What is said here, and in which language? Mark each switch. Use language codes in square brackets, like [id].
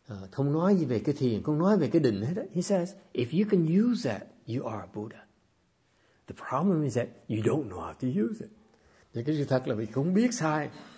[vi] Không nói gì về cái thiền, không nói về cái định hết. [en] He says, if you can use that, you are a Buddha. The problem is that you don't know how to use it. [vi] Thì cái sự thật là vì không biết sai.